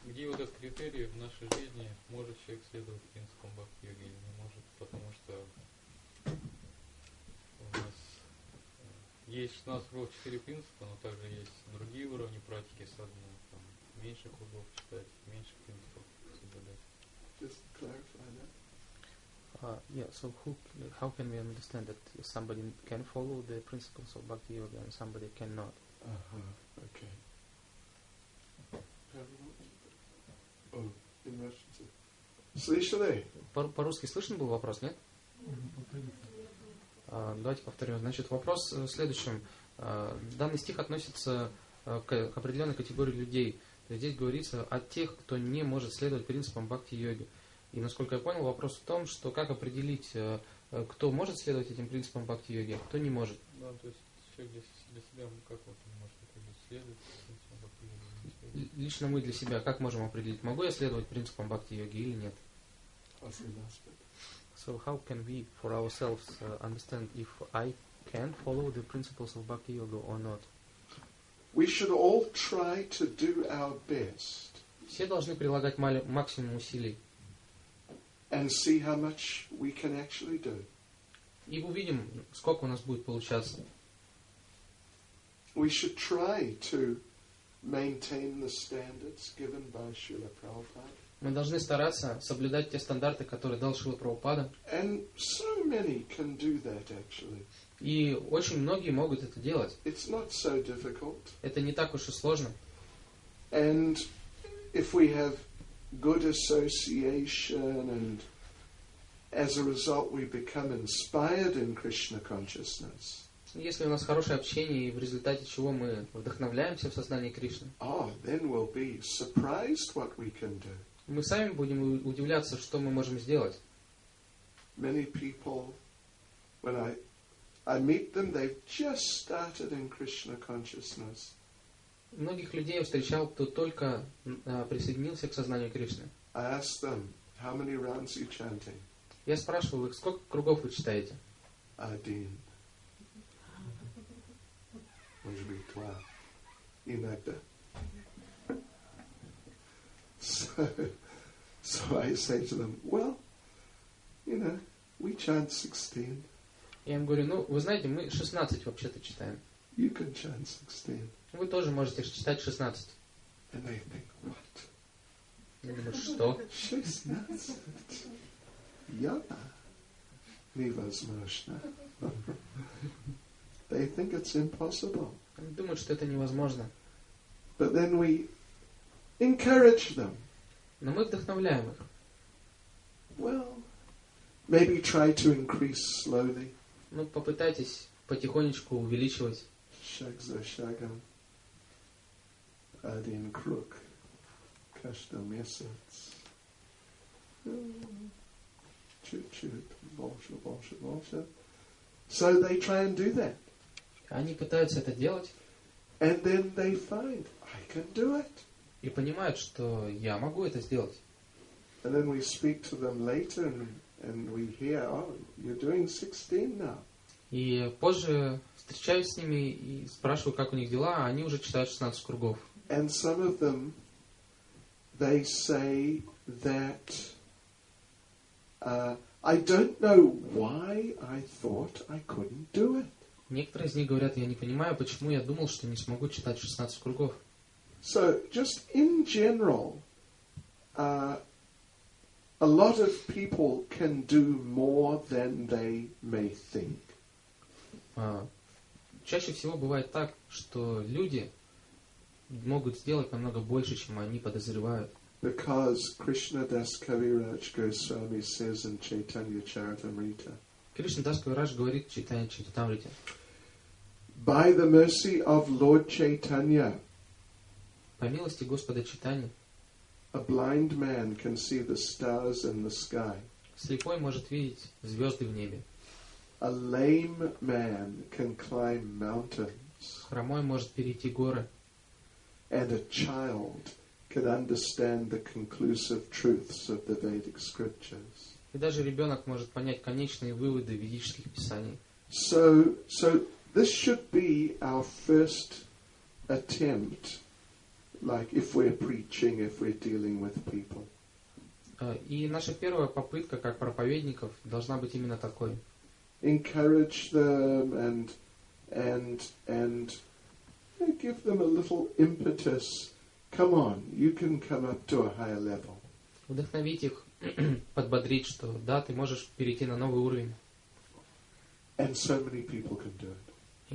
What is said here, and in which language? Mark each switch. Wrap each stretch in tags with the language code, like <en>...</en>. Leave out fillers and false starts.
<ru>Где вот этот критерий в нашей жизни, может человек следовать принципам бхакти-йоги или не может, потому что у нас есть 16 уровней, 4 принципа, но также есть другие уровни практики садхана, там меньше кругов читать, меньше принципов соблюдать.</ru> <en>Just clarify that. So how can we understand that somebody can follow the principles of Bhakti Yoga and somebody cannot? Uh-huh. Okay. Oh, in Russian.</en> <ru>Слышали? По-русски слышен был вопрос, нет? Давайте повторим. Значит, вопрос в следующем. Данный стих относится к определенной категории людей. Здесь говорится о тех, кто не может следовать принципам Бхакти Йоги. И насколько я понял, вопрос в том, что как определить, кто может следовать этим принципам бхакти-йоги, а кто не может. Да, то есть человек для себя, как вот он может определить, следует принципам бхакти-йоги? Лично мы для себя как можем определить, могу я следовать принципам бхакти-йоги или нет?</ru> <en>So how can we for ourselves understand if I can follow the principles of bhakti-yoga or not? We should all try to do our best.</en> <ru>Все должны прилагать максимум усилий.</ru> <en>And see how much we can actually do.</en> <ru>И увидим, сколько у нас будет получаться.</ru> <en>We should try to maintain the standards given by Srila Prabhupada.</en> <ru>Мы должны стараться соблюдать те стандарты, которые дал Шрила Прабхупада.</ru> <en>And so many can do that actually.</en> <ru>И очень многие могут это делать.</ru> <en>It's not so difficult.</en> <ru>Это не так уж и сложно.</ru> <en>And if we have good association and as a result we become inspired in Krishna consciousness.</en> <ru>Если у нас хорошее общение и в результате чего мы вдохновляемся в сознании Кришны.</ru> <en>Oh, then we'll be surprised what we can do.</en> <ru>Мы сами будем удивляться, что мы можем сделать.</ru> <en>Many people, when I meet them, they've just started in Krishna consciousness.</en> <ru>Многих людей я встречал, кто только присоединился к сознанию Кришны.</ru> <en>I ask them, how many rounds you chanting?</en> <ru>Я спрашивал их, сколько кругов вы читаете? Один. Может быть, два. Иногда.</ru> <en>So I say to them, well, you know, we chant 16.</en> <ru>Я им говорю, ну, вы знаете, мы 16 вообще-то читаем.</ru> <en>You can chant 16.</en> <ru>Вы тоже можете читать 16.</ru> <en>And they think, what?</en> <ru>Я думаю, что? 16? Я? Невозможно.</ru> <en>They think it's impossible.</en> <ru>Они думают, что это невозможно.</ru> <en>But then we encourage them.</en> <ru>Но мы вдохновляем их.</ru> <en>Well, maybe try to increase slowly.</en> <ru>Ну, попытайтесь потихонечку увеличивать. Шаг за шагом. Один круг каждый месяц. Чуть-чуть, больше.</ru> <en>So they try and do that.</en> <ru>Они пытаются это делать.</ru> <en>And then they find, I can do it.</en> <ru>И понимают, что я могу это сделать.</ru> <en>And then we speak to them later and we hear, oh, you're doing 16 now.</en> <ru>И позже встречаюсь с ними и спрашиваю, как у них дела, а они уже читают 16 кругов.</ru> <en>And some of them, they say that I don't know why I thought I couldn't do it.</en> <ru>Некоторые из них говорят, я не понимаю, почему я думал, что не смогу читать 16 кругов.</ru> <en>So just in general, a lot of people can do more than they may think.</en> <ru>Чаще всего бывает так, что люди могут сделать намного больше, чем они подозревают.</ru> <en>Because Krishna Das Kaviraj Goswami says in Chaitanya Charitamrita.</en> <ru>Кришна Дас Кавирадж говорит в Чайтанья Чаритамрите.</ru> <en>By the mercy of Lord Chaitanya,</en> <ru>по милости Господа Чайтаньи.</ru> <en>A blind man can see the stars in the sky.</en> <ru>Слепой может видеть звезды в небе.</ru> <en>A lame man can climb mountains.</en> <ru>Хромой может перейти горы.</ru> <en>And a child can understand the conclusive truths of the Vedic scriptures.</en> <ru>И даже ребенок может понять конечные выводы ведических писаний.</ru> <en>So this should be our first attempt, like if we're preaching, if we're dealing with people.</en> <ru>И наша первая попытка как проповедников должна быть именно такой.</ru> <en>Encourage them and give them a little impetus. Come on, you can come up to a higher level.</en> <ru>Вдохновить их, подбодрить, что да, ты можешь перейти на новый уровень.</ru> <en>And so many people can do it.</en>